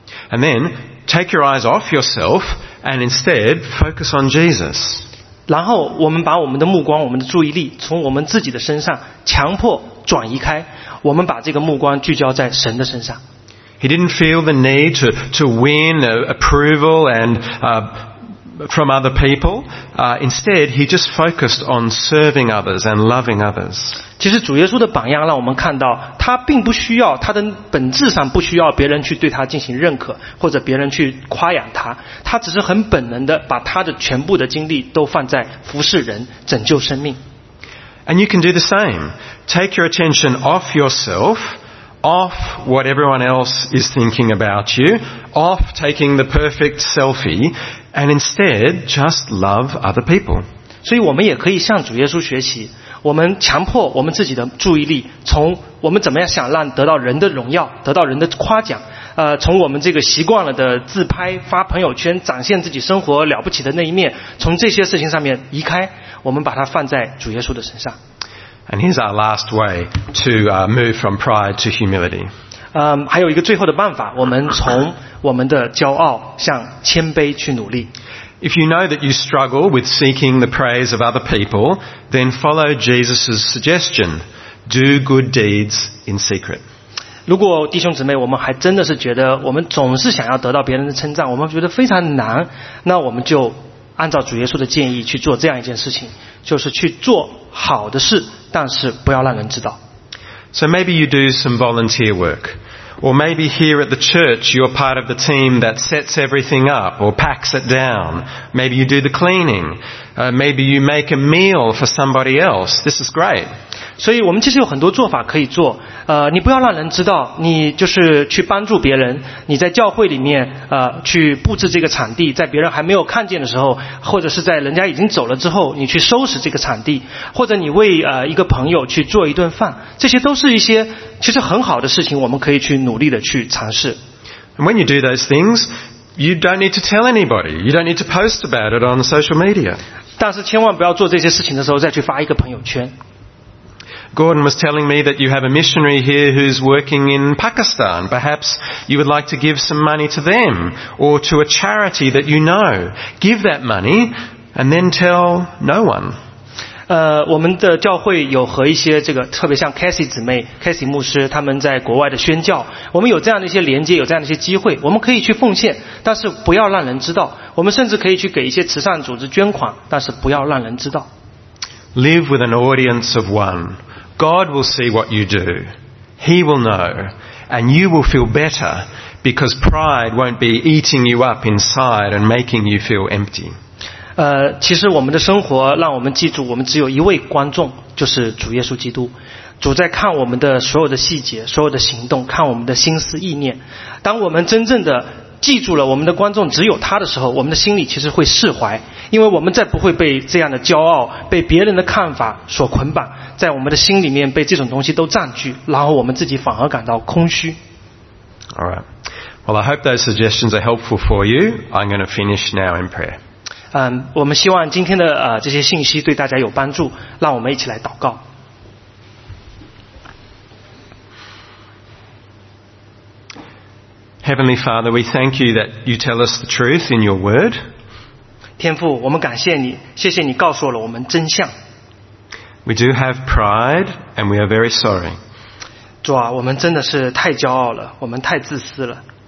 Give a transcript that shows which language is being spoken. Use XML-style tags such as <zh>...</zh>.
<en>And then take your eyes off yourself and instead focus on Jesus.</en> <zh>然后我们把我们的目光，我们的注意力从我们自己的身上强迫转移开，我们把这个目光聚焦在神的身上。</zh> <en>He didn't feel the need to win approval and from other people, instead he just focused on serving others and loving others.</en> <zh>其实主耶稣的榜样让我们看到，他并不需要，他的本质上不需要别人去对他进行认可，或者别人去夸扬他，他只是很本能的把他的全部的精力都放在服侍人，拯救生命。</zh> <en>And you can do the same. Take your attention off yourself, off what everyone else is thinking about you, off taking the perfect selfie,And instead, just love other people.</en> <zh>所以我们也可以向主耶稣学习，我们强迫我们自己的注意力，从我们怎么样想让得到人的荣耀，得到人的夸奖，从我们这个习惯了的自拍、发朋友圈、展现自己生活了不起的那一面，从这些事情上面移开，我们把它放在主耶稣的身上。</zh> <en>And here's our last way to move from pride to humility.</en> <zh>还有一个最后的办法，我们从我们的骄傲向谦卑去努力。</zh> <en>If you know that you struggle with seeking the praise of other people, then follow Jesus' suggestion. Do good deeds in secret.</en> <zh>如果弟兄姊妹，我们还真的是觉得我们总是想要得到别人的称赞，我们觉得非常难，那我们就按照主耶稣的建议去做这样一件事情，就是去做好的事，但是不要让人知道。</zh> <en>So maybe you do some volunteer work. Or maybe here at the church, you're part of the team that sets everything up or packs it down. Maybe you do the cleaning. Maybe you make a meal for somebody else. This is great.</en> <zh>所以我们其实有很多做法可以做。你不要让人知道，你就是去帮助别人。你在教会里面，去布置这个场地，在别人还没有看见的时候，或者是在人家已经走了之后，你去收拾这个场地，或者你为一个朋友去做一顿饭，这些都是一些其实很好的事情，我们可以去努力的去尝试。</zh> <en>And when you do those things, you don't need to tell anybody. You don't need to post about it on social media.</en> <zh>但是千万不要做这些事情的时候再去发一个朋友圈。</zh> <en>Gordon was telling me that you have a missionary here who's working in Pakistan. Perhaps you would like to give some money to them or to a charity that you know. Give that money and then tell no one.</en> <zh>我们的教会有和一些这个特别像 Cassie 姊妹 Cassie 牧师他们在国外的宣教，我们有这样的一些连接，有这样的一些机会，我们可以去奉献，但是不要让人知道。我们甚至可以去给一些慈善组织捐款，但是不要让人知道。</zh> <en>Live with an audience of one. God will see what you do. He will know. And you will feel better because pride won't be eating you up inside and making you feel empty.</en> <zh>其实我们的生活让我们记住，我们只有一位观众，就是主耶稣基督。主在看我们的所有的细节，所有的行动，看我们的心思意念。当我们真正的记住了我们的观众只有他的时候，我们的心里其实会释怀，因为我们再不会被这样的骄傲，被别人的看法所捆绑，在我们的心里面被这种东西都占据，然后我们自己反而感到空虚。</zh> <en>All right. Well, I hope those suggestions are helpful for you. I'm going to finish now in prayer.</en> <zh>我们希望今天的这些信息对大家有帮助，让我们一起来祷告。</zh> <en>Heavenly Father, we thank you that you tell us the truth in your word.</en> <zh>天父，我们感谢你，谢谢你告诉了我们真相。</zh> <en>We do have pride, and we are very sorry.</en> <zh>主啊，我们真的是太骄傲了，我们太自私了。</zh>